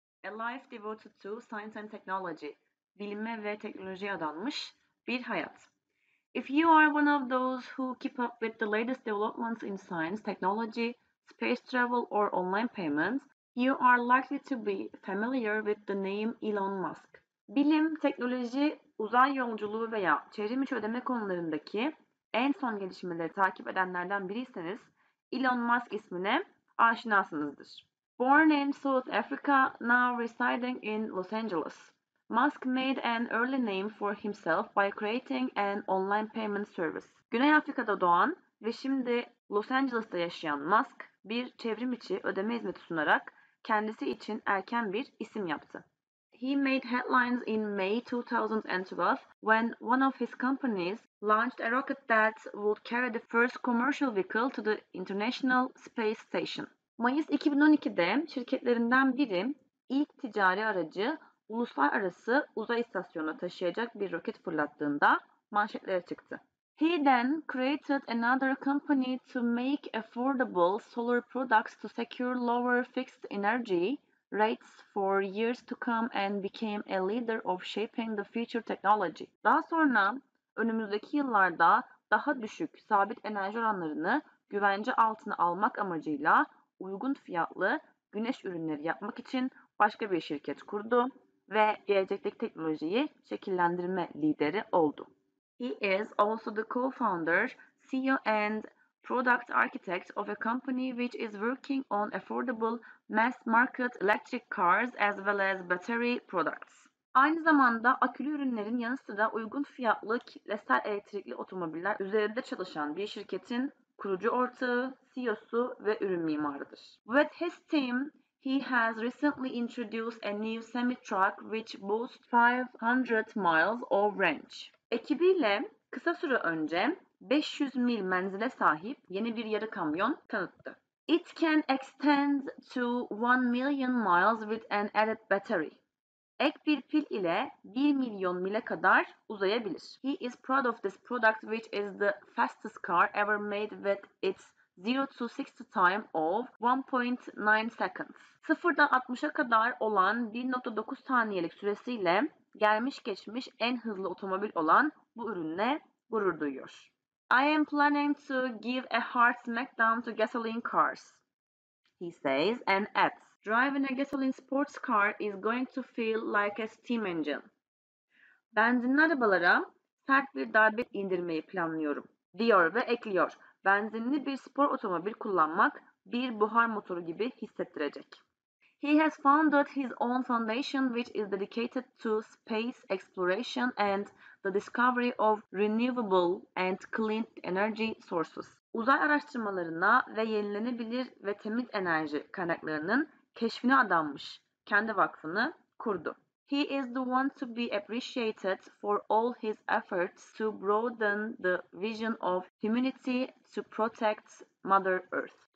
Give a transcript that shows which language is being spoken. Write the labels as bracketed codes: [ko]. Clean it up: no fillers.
[en] A life devoted to science and technology. [tr] Bilime ve teknolojiye adanmış bir hayat. [en] If you are one of those who keep up with the latest developments in science, technology, space travel or online payments, you are likely to be familiar with the name Elon Musk. [tr] Bilim, teknoloji, uzay yolculuğu veya çevrim içi ödeme konularındaki en son gelişmeleri takip edenlerden biriyseniz Elon Musk ismine aşinasınızdır. [en] Born in South Africa, now residing in Los Angeles. Musk made an early name for himself by creating an online payment service. [tr] Güney Afrika'da doğan ve şimdi Los Angeles'ta yaşayan Musk, bir çevrim içi ödeme hizmeti sunarak kendisi için erken bir isim yaptı. [en] He made headlines in May 2012 when one of his companies launched a rocket that would carry the first commercial vehicle to the International Space Station. [tr] Mayıs 2012'de şirketlerinden biri ilk ticari aracı uluslararası uzay istasyonuna taşıyacak bir roket fırlattığında manşetlere çıktı. [en] He then created another company to make affordable solar products to secure lower fixed energy rates for years to come and became a leader of shaping the future technology. [tr] Daha sonra önümüzdeki yıllarda daha düşük sabit enerji oranlarını güvence altına almak amacıyla uygun fiyatlı güneş ürünleri yapmak için başka bir şirket kurdu ve gelecekteki teknolojiyi şekillendirme lideri oldu. [en] He is also the co-founder, CEO and product architect of a company which is working on affordable mass market electric cars as well as battery products. [tr] Aynı zamanda akülü ürünlerin yanı sıra uygun fiyatlı kitlesel elektrikli otomobiller üzerinde çalışan bir şirketin kurucu ortağı, CEO'su ve ürün mimarıdır. [en] With his team, he has recently introduced a new semi-truck which boasts 500 miles of range. [tr] Ekibiyle kısa süre önce 500 mil menzile sahip yeni bir yarı kamyon tanıttı. [en] It can extend to 1 million miles with an added battery. [tr] Ek bir pil ile 1 milyon mile kadar uzayabilir. [en] He is proud of this product which is the fastest car ever made with its 0 to 60 time of 1.9 seconds. [tr] 0'dan 60'a kadar olan 1.9 saniyelik süresiyle gelmiş geçmiş en hızlı otomobil olan bu ürünle gurur duyuyor. [en] I am planning to give a hard smackdown to gasoline cars, he says and adds. Driving a gasoline sports car is going to feel like a steam engine. [tr] Benzinli arabalara sert bir darbe indirmeyi planlıyorum, diyor ve ekliyor. Benzinli bir spor otomobil kullanmak bir buhar motoru gibi hissettirecek. [en] He has founded his own foundation which is dedicated to space exploration and the discovery of renewable and clean energy sources. [tr] Uzay araştırmalarına ve yenilenebilir ve temiz enerji kaynaklarının keşfine adanmış kendi vakfını kurdu. [en] He is the one to be appreciated for all his efforts to broaden the vision of humanity to protect Mother Earth.